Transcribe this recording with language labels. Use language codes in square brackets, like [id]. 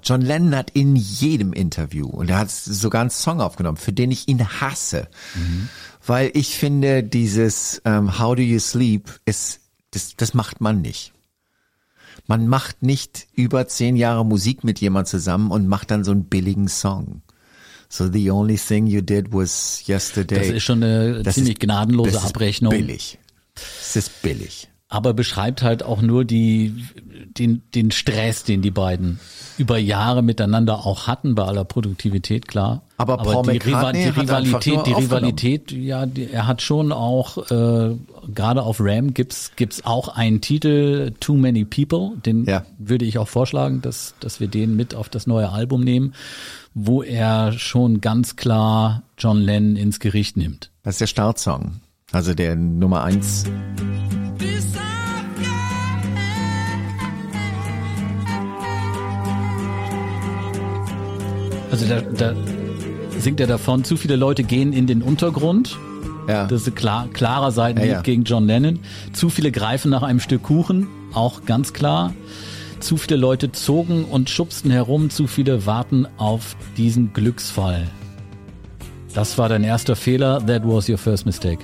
[de] John Lennon hat in jedem Interview, und er hat sogar einen Song aufgenommen, für den ich ihn hasse, weil ich finde, dieses How Do You Sleep, das macht man nicht. Man macht nicht über 10 Jahre Musik mit jemand zusammen und macht dann so einen billigen Song. [en] So the only thing you did was yesterday. [de] Das ist schon eine ziemlich gnadenlose Abrechnung. Das ist billig. Das ist billig. Aber beschreibt halt auch nur den Stress, den die beiden über Jahre miteinander auch hatten, bei aller Produktivität, klar. Aber Paul McCartney er hat schon auch, gerade auf Ram gibt's auch einen Titel, Too Many People, den würde ich auch vorschlagen, dass wir den mit auf das neue Album nehmen, wo er schon ganz klar John Lennon ins Gericht nimmt. Das ist der Startsong, also der Nummer 1. Also da singt er davon, zu viele Leute gehen in den Untergrund. Ja. Das ist ein klarer Seitenhieb gegen John Lennon. Zu viele greifen nach einem Stück Kuchen, auch ganz klar. Zu viele Leute zogen und schubsten herum, zu viele warten auf diesen Glücksfall. Das war dein erster Fehler, [en] that was your first mistake.